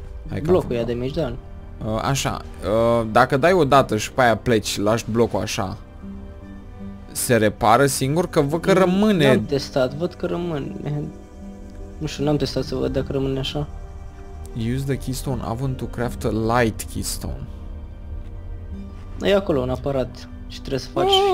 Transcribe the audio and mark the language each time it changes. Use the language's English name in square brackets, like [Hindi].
[Romanian] Hai, blocul ia damage, da. Așa, dacă dai o dată și pe aia pleci, lași blocul așa, se repară singur? Că văd că rămâne... N-am testat, văd că rămâne. Nu știu, n-am testat să văd dacă rămâne așa. [English] Use the keystone oven to craft a light keystone. [Romanian] E acolo un aparat și trebuie să faci...